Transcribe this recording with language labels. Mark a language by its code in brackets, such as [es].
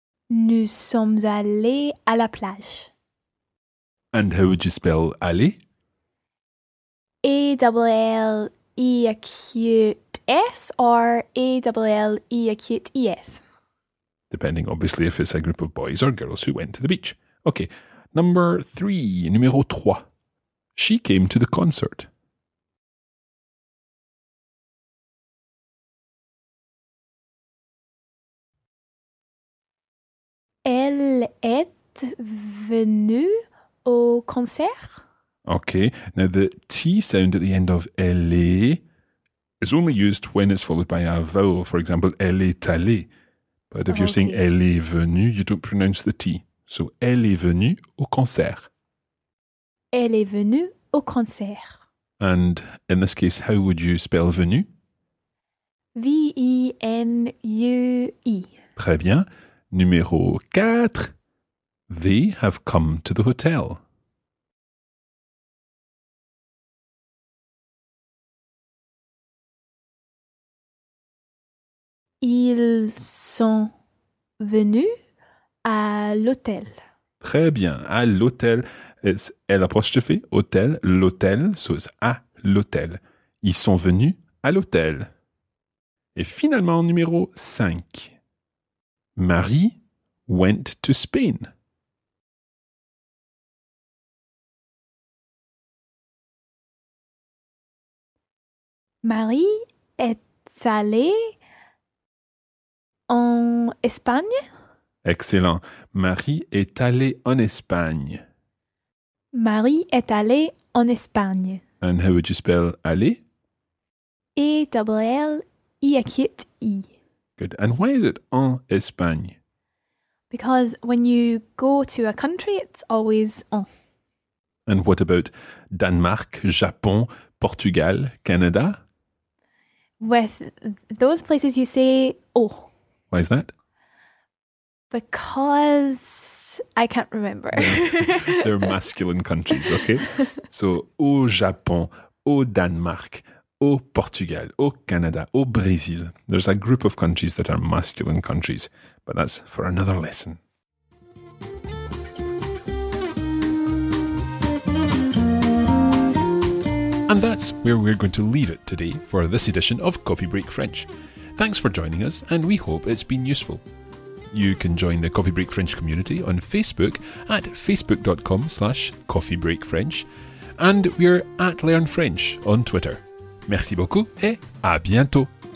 [fr] Nous sommes allés à la plage. [en] And how would you spell aller? A-double-L-E-acute-S or A-double-L-E-acute-E-S? depending obviously if it's a group of boys or girls who went to the beach. Okay, number three, [fr] numéro trois. [en] She came to the concert. [fr] Elle est venue au concert. [en] Okay, now the T sound at the end of elle is only used when it's followed by a vowel. [fr] For example, elle est allée. [en] But if you're saying [fr] elle est venue, [en] you don't pronounce the T. [fr] So, elle est venue au concert. Elle est venue au concert. [en] And in this case, how would you spell venue? V-E-N-U-E. [fr] Très bien. Numéro 4. [en] They have come to the hotel. [fr] Ils sont venus à l'hôtel. Très bien. À l'hôtel. [en] It's L apostrophe, [fr] hôtel, l'hôtel. [en] So it's [fr] à l'hôtel. Ils sont venus à l'hôtel. Et finalement, numéro 5. [en] Marie went to Spain. [fr] Marie est allée en Espagne? Excellent. Marie est allée en Espagne. Marie est allée en Espagne. [en] And how would you spell aller? E-double-L-I-A-Q-U-T-I. Good. And why is it [fr] en Espagne? [en] Because when you go to a country, it's always en. And what about Denmark, Japon, Portugal, Canada? With those places, you say oh. Why is that? Because I can't remember. They're masculine countries, okay? [fr] So, au Japon, au Danemark, au Portugal, au Canada, au Brésil. [en] There's a group of countries that are masculine countries, but that's for another lesson. And that's where we're going to leave it today for this edition of Coffee Break French. Thanks for joining us, and we hope it's been useful. You can join the Coffee Break French community on Facebook at facebook.com/coffeebreakfrench, and we're at Learn French on Twitter. [fr] Merci beaucoup et à bientôt!